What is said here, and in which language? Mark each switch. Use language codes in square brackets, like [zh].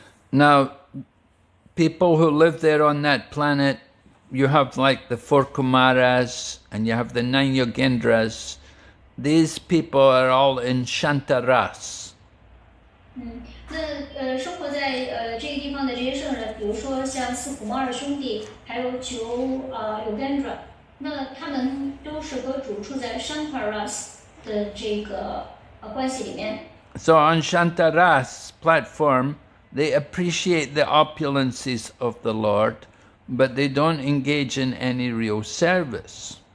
[en] Now, people who live there on that planet, you have like the four Kumaras and you have the nine Yogendras. These people are all in Shantaras. [zh] 那生活在这个地方的这些圣人，比如说像四虎猫儿兄弟，还有九有甘者，那他们都是和主处在Shantaras的这个关系里面。So [en] on Shantaras platform, they appreciate the opulences of the Lord, but they don't engage in any real service.